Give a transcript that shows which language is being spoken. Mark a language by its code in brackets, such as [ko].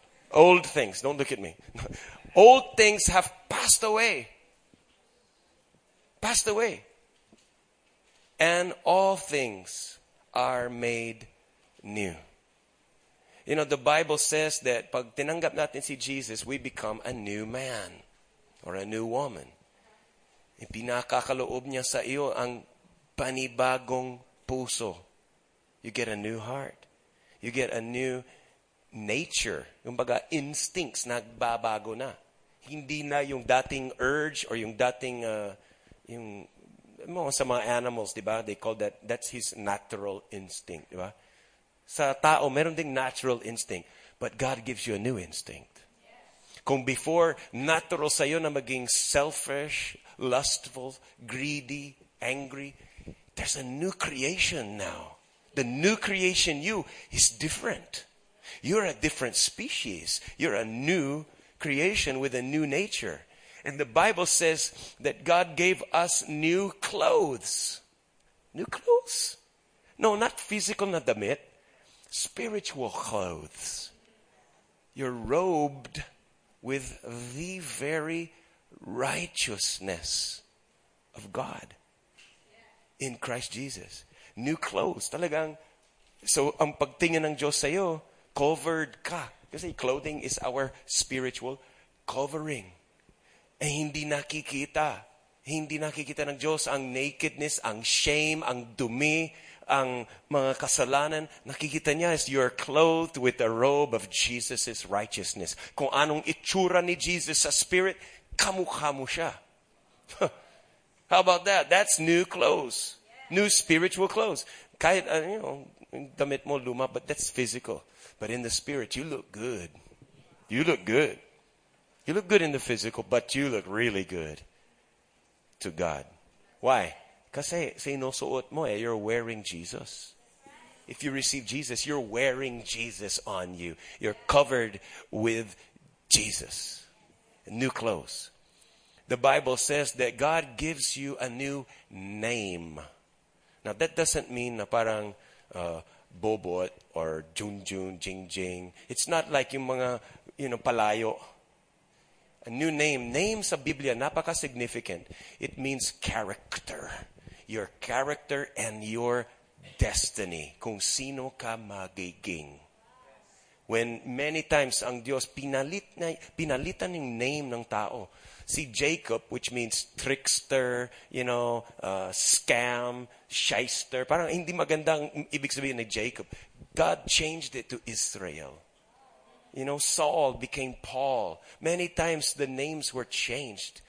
[en] Old things, don't look at me. Old things have passed away. Passed away. And all things are made new. You know, the Bible says that [tl] pag tinanggap natin si Jesus, [en] we become a new man. Or a new woman. [tl] Ipinakakaloob niya sa iyo ang panibagong puso. [en] You get a new heart. You get a new nature. [tl] Yung baga, [en] instincts, [tl] nagbabago na. Hindi na yung dating urge or yung dating, yung, mo sa mga animals, di ba? [en] They call that, that's his natural instinct, di ba? [tl] Sa tao, meron ding natural instinct. [en] But God gives you a new instinct. Kung before, natural [tl] sa'yo na maging [en] selfish, lustful, greedy, angry, there's a new creation now. The new creation you is different. You're a different species. You're a new creation with a new nature. And the Bible says that God gave us new clothes. New clothes? No, not physical [tl] na damit. [en] spiritual clothes. You're robed with the very righteousness of God in Christ Jesus. New clothes. [tl] Talagang, so ang pagtingin ng Diyos sa'yo, covered ka. [en] Kasi clothing is our spiritual covering. [tl] Eh, hindi nakikita. Hindi nakikita ng Diyos ang nakedness, ang shame, ang dumi, ang mga kasalanan. Nakikita niya [en] is you're clothed with the robe of Jesus' righteousness. [tl] Kung anong itsura ni Jesus sa spirit, kamukha mo siya. [en] How about that? That's new clothes. New spiritual clothes. Kahit, you know, [tl] damit mo luma, [en] but that's physical. But in the spirit, you look good. You look good. You look good in the physical, but you look really good to God. Why? [tl] Kasi sinusuot mo eh, [en] you're wearing Jesus. If you receive Jesus, you're wearing Jesus on you. You're covered with Jesus. New clothes. The Bible says that God gives you a new name. Now, that doesn't mean [tl] na parang [en] bobot or junjun, jingjing. It's not like yung mga, you know, palayo. A new name. Name [tl] sa Biblia, napaka-significant. [en] It means character. Your character and your destiny. [tl] Kung sino ka magiging. [en] When many times [tl] ang Diyos pinalitan yung name ng tao. [en] See, Jacob, which means trickster, you know, scam, shyster. [tl] Parang hindi magandang ibig sabihin ni Jacob. [en] God changed it to Israel. You know, Saul became Paul. Many times the names were changed.